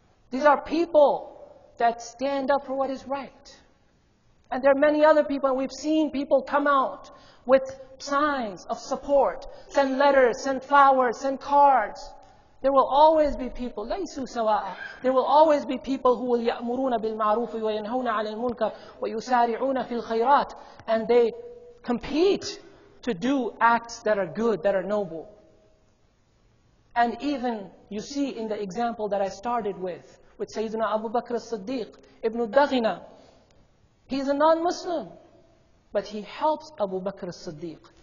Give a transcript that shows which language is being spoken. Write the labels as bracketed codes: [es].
[en] These are people that stand up for what is right. And there are many other people, and we've seen people come out with signs of support, send letters, send flowers, send cards. There will always be people, [ar] لَيْسُوا سَوَاءً. [en] There will always be people who will [ar] يَأْمُرُونَ بِالْمَعْرُوفِ وَيَنْهَوْنَ عَلَى الْمُنْكَرِ وَيُسَارِعُونَ فِي الْخَيْرَاتِ. [en] And they compete to do acts that are good, that are noble. And even, you see in the example that I started with Sayyidina Abu Bakr as-Siddiq, Ibn Daghina, He's a non-Muslim, but he helps Abu Bakr as-Siddiq.